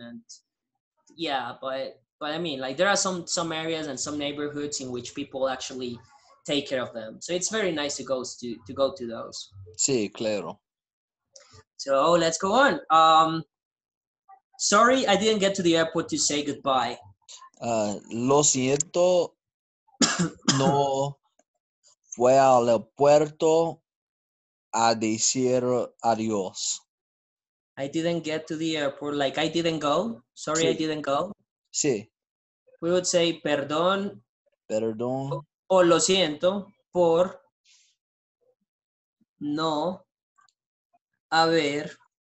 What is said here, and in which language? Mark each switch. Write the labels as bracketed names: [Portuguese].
[English] And yeah, but I mean, like, there are some areas and some neighborhoods in which people actually take care of them, so it's very nice to go to those. [Spanish] Sí, claro. [English] So let's go on. Sorry, I didn't get to the airport to say goodbye. [Spanish] Lo siento, no fue al aeropuerto a decir adiós. [English] I didn't get to the airport, like I didn't go. Sorry, sí. I didn't go. [Spanish] Sí. [English] We would say perdón. [Spanish] Perdón. O lo siento por no haber.